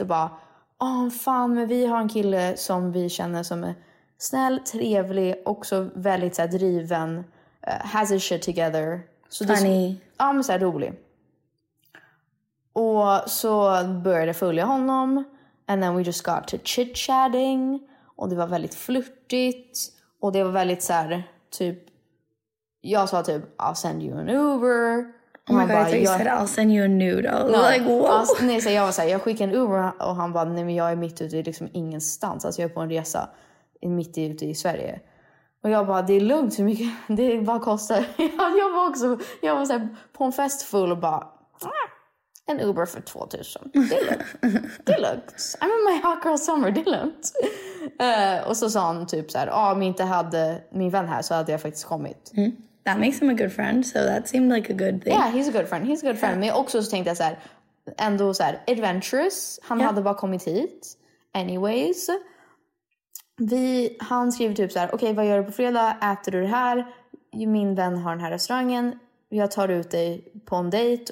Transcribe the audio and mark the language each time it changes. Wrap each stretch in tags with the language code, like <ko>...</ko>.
<sv>Och bara, åh fan, men vi har en kille som vi känner som är snäll, trevlig. Också väldigt så här, driven.</sv> <en>Has his shit together.</en> <sv>Så funny. Det är så, ja, men så här, rolig. Och så började följa honom.</sv> <en>And then we just got to chit-chatting.</en> <sv>Och det var väldigt flörtigt. Och det var väldigt så här, typ... Jag sa typ,</sv> <en>I'll send you an Uber. Oh my god, bara, you said I'll send you a noodle. No, like, whoa.</en> <sv>Nej, så jag var såhär, jag skickade en Uber och han bara, nej men jag är mitt ute i liksom ingenstans. Alltså jag är på en resa mitt ute i Sverige. Och jag bara, det är lugnt hur mycket det bara kostar. Jag var också, jag var såhär på en fest full och bara, en Uber för 2000. Det är lugnt. Det är lugnt.</sv> <en>I'm in my hot girl summer,</en> <sv>det är lugnt. Och så sa han typ så här, om jag inte hade min vän här så hade jag faktiskt kommit. Mm.</sv> <en>That makes him a good friend, so that seemed like a good thing. Yeah, he's a good friend,</en> <sv>he's a good friend. Men jag också så tänkte jag så här, ändå så här, adventurous. Han hade bara kommit hit. Anyways. Han skriver typ så här, okej, vad gör du på fredag? Äter du det här? Min vän har den här restaurangen. Jag tar ut dig på en dejt.</sv>